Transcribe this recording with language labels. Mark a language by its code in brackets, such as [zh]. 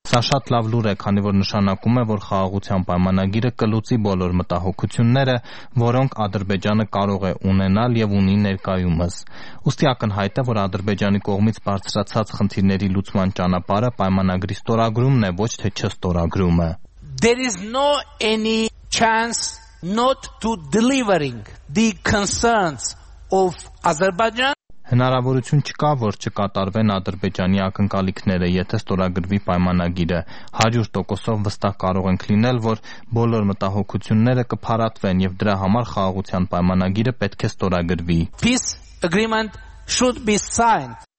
[hy] Սա շատ լավ լուր է, քանի որ նշանակում է, որ խաղաղության պայմանագիրը կլուծի բոլոր մտահոգությունները, որոնք Ադրբեջանը կարող է ունենալ և ունի ներկայում։ Ուստի ակնհայտ է, որ Ադրբեջանի կողմից բարձրացած խնդիրների լուծման ճանապարհը պայմանագրի ստորագրումն է, ոչ թե չստորագրումը։ [en] There is no any chance not to delivering the concerns of Azerbaijan. [hy] Հնարավորություն չկա, որ չկատարվեն Ադրբեջանի ակնկալիքները, եթե ստորագրվի պայմանագիրը։ 100%-ով վստահ կարող ենք լինել, որ բոլոր մտահոգությունները կփարատվեն, և դրա համար խաղաղության պայմանագիրը պետք է ստորագրվի։ [en] Peace agreement should be signed.